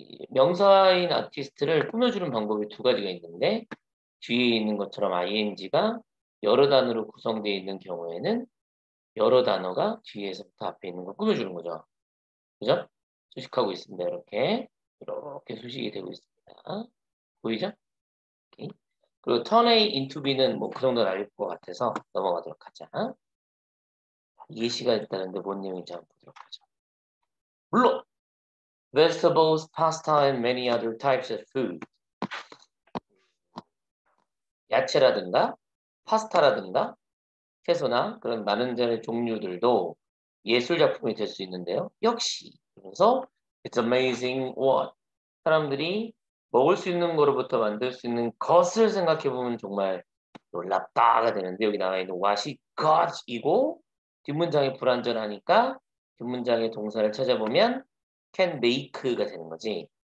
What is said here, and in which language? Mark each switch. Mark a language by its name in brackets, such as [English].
[Korean] 명사인 아티스트를 꾸며주는 방법이 두 가지가 있는데 뒤에 있는 것처럼 ing가 여러 단어로 구성되어 있는 경우에는 여러 단어가 뒤에서부터 앞에 있는 걸 꾸며주는 거죠. 그죠? 수식하고 있습니다. 이렇게 수식이 되고 있습니다. 보이죠? 오케이. 그리고 [English] turn A into B [Korean] 는 뭐그 정도는 알것 같아서 넘어가도록 하자. 예시가 있다는데 뭔 내용인지 한번 보도록 하죠. 물론! [English] Vegetables, pasta, and many other types of food. [Korean] 야채라든가, 파스타라든가, 채소나 그런 많은 자의 종류들도 예술 작품이 될 수 있는데요. 역시 그래서 [English] it's amazing what [Korean] 사람들이 먹을 수 있는 거로부터 만들 수 있는 것을 생각해 보면 정말 놀랍다가 되는데 여기 나와 있는 what이 것이고 뒷문장이 불완전하니까 뒷문장의 동사를 찾아보면 [English] can make [Korean] 가 되는 거지.